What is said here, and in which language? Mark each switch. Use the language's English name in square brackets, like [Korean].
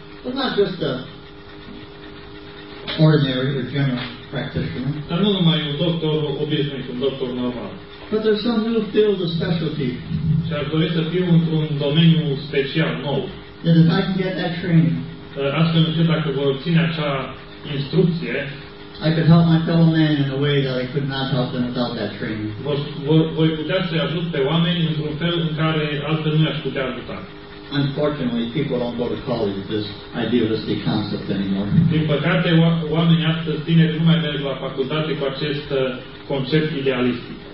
[English] But not just a ordinary or general practitioner. [Romanian] Dar nu numai un doctor obișnuit, un doctor normal. [English] But there's some new field of specialty. [Romanian] Și ar dori să fiu într-un domeniu special nou. [English] And if I can get that training, [Romanian] astfel încât dacă vor obține acea instrucție, [English] I could help my fellow man in a way that I could not help them without that training. [Romanian] Voi putea să-i ajut pe oameni într-un fel în care altfel nu i-aș putea ajuta. [English] Unfortunately, people don't go to college with this idealistic concept anymore. [Romanian] Din păcate, oamenii astăzi tineri nu mai merg la facultate cu acest concept idealistic.